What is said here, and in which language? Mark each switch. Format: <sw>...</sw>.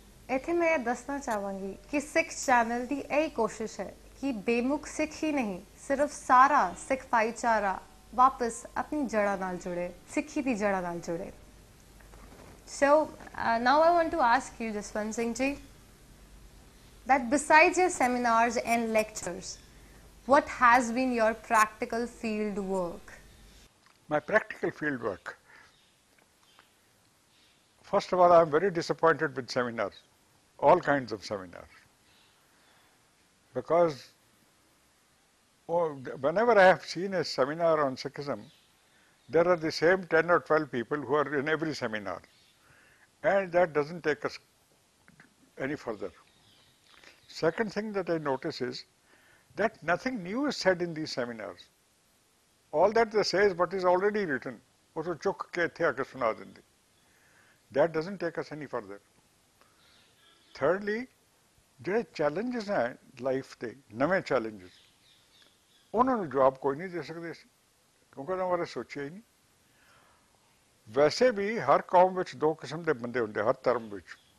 <pa>ਇੱਥੇ ਮੈਂ ਇਹ ਦੱਸਣਾ ਚਾਹਾਂਗੀ ਕਿ ਸਿੱਖ ਚੈਨਲ ਦੀ ਇਹ ਕੋਸ਼ਿਸ਼ ਹੈ ਕਿ ਬੇਮੁੱਖ ਸਿੱਖ ਹੀ ਨਹੀਂ, ਸਿਰਫ ਸਾਰਾ ਸਿੱਖ ਭਾਈਚਾਰਾ ਵਾਪਸ ਆਪਣੀ ਜੜ੍ਹਾਂ ਨਾਲ ਜੁੜੇ, ਸਿੱਖੀ ਦੀ ਜੜ੍ਹਾਂ ਨਾਲ ਜੁੜੇ।</pa> <en>So now I want to ask you Jaswant Singh ji, that besides your seminars and lectures, what has been your practical field work? My practical field work, first of all I am very disappointed with seminar, all kinds of seminar, because whenever I have seen a seminar on Sikhism, there are the same 10 or 12 people who are in every seminar, and that doesn't take us any further. Second thing that I notice is that nothing new is said in these seminars. All that they say is what is already written.</en> <pa>Oso chuk ke ithe aake suna dende.</pa> <en>That doesn't take us any further.</en> <pa>Thirdly ਜਿਹੜੇ challenges ਹੈ life ਦੇ ਨਵੇਂ challenges ਉਹਨਾਂ ਨੂੰ ਜਵਾਬ ਕੋਈ ਨਹੀਂ ਦੇ ਸਕਦੇ ਸੀ ਕਿਉਂਕਿ ਉਹਨਾਂ ਬਾਰੇ ਸੋਚਿਆ ਹੀ ਨਹੀਂ ਵੈਸੇ ਵੀ ਹਰ ਕੌਮ ਵਿੱਚ ਦੋ ਕਿਸਮ ਦੇ ਬੰਦੇ ਹੁੰਦੇ ਹਰ ਧਰਮ ਵਿੱਚ</pa>